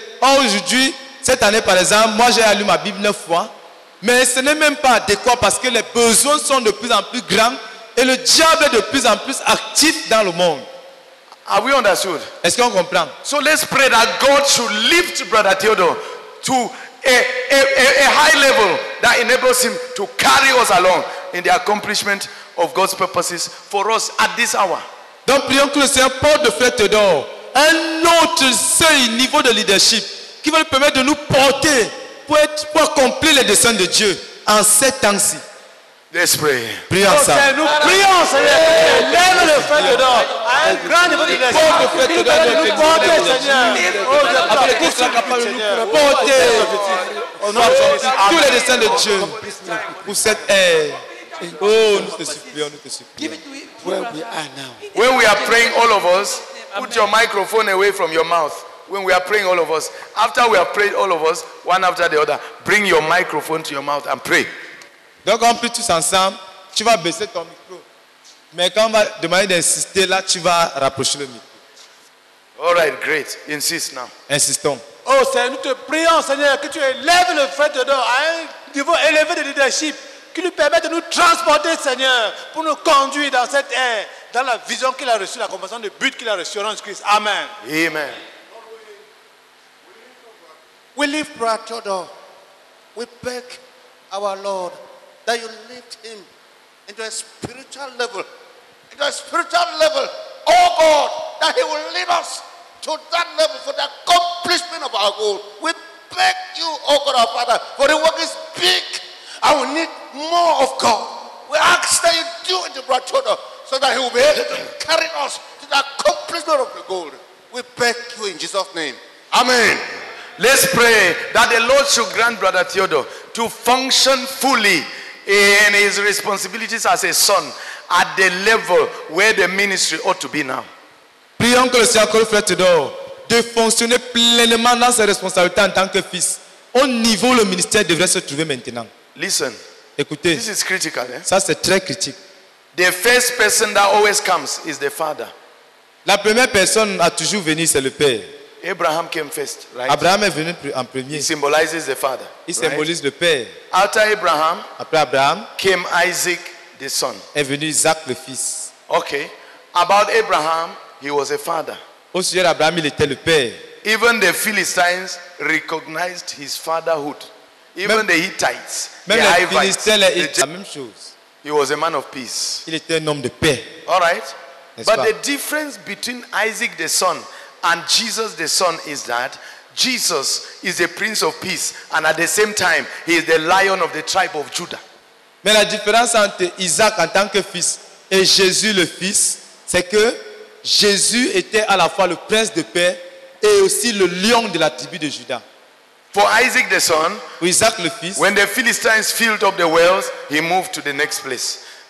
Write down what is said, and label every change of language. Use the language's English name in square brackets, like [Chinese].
[French] Or aujourd'hui, cette année par exemple, moi j'ai lu ma Bible 9 fois. Mais ce n'est même pas adéquat parce que les besoins sont de plus en plus grands. Et le diable est de plus en plus actif dans le monde. [English] Are we understood? [French] Est-ce qu'on comprend? [English] So let's pray that God should lift Brother Theodore to a high level that enables him to carry us along in the accomplishment of God's purposes for us at this hour. [French] Donc prions que le Seigneur porte de Frère Theodore un autre seuil niveau de leadership qui va lui permettre de nous porter pour accomplir les desseins de Dieu en ces temps-ci. [English] Let's pray. [French] Prions ça. Nous prions, Seigneur. Lève le feu de Dieu. Un grand niveau de force. Le feu de Dieu. Nous porter, Seigneur. Après tout, nous sommes capables de nous porter. On a tous les desseins de Dieu pour cette ère. Oh, nous te supplions, nous te supplions. [English] Where we are now. When we are praying, all of us, put your microphone away from your mouth. When we are praying, all of us, after we have prayed, all of us, one after the other, bring your microphone to your mouth and pray. [French] Donc on prie tous ensemble, tu vas baisser ton micro. Mais quand on va demander d'insister, là tu vas rapprocher le micro. [English] All right, great. Insist now. [French] Insistons. Oh Seigneur, nous te prions Seigneur que tu élèves le frère dedans à un niveau élevé de leadership qui lui permet de nous transporter Seigneur pour nous conduire dans cette ère, dans la vision qu'il a reçue, la compréhension du but qu'il a reçu en Christ. Amen. Amen. [English] We lift Brother Theodore. We beg our Lord that you lift him into a spiritual level. Into a spiritual level. Oh God, that he will lead us to that level for the accomplishment of our goal. We beg you, oh God, our Father, for the work is big and we need more of God. We ask that you do it to Brother Theodore so that he will be able to carry us to the accomplishment of the goal. We beg you in Jesus' name. Amen. Let's pray that the Lord should grant Brother Theodore to function fully in his responsibilities as a son at the level where the ministry ought to be now. [French] Prions que le Seigneur accorde Frère Theodore de fonctionner pleinement dans ses responsabilités en tant que fils au niveau le ministère devrait se trouver maintenant. [English] Listen. [French] Écoutez. [English] This is critical. [French] Ça c'est très critique. [English] The first person that always comes is the father. [French] La première personne à toujours venir c'est le père. [English] Abraham came first, right? [French] Abraham est venu en premier. [English] He symbolizes the father. [French] Il symbolise le père. [English] After Abraham, [French] après Abraham, [English] came Isaac, the son. [French] Est venu Isaac le fils. [English] Okay. About Abraham, he was a father. [French] Au sujet d'Abraham, il était le père. [English] Even the Philistines recognized his fatherhood. Even [French] même, [English] the Hittites, même the Hivites, [French] les Philistins, la même chose. [English] He was a man of peace. Il était un homme de paix. All right. But the difference between Isaac the son and Jesus the son is that Jesus is the prince of peace and at the same time he is the lion of the tribe of Judah. [French] Mais la différence entre Isaac en tant que fils et Jésus le fils, c'est que Jésus était à la fois le prince de paix et aussi le lion de la tribu de Judah. [English] For Isaac the son, [French] Isaac le fils, [English] when the Philistines filled up the wells, he moved to the next place.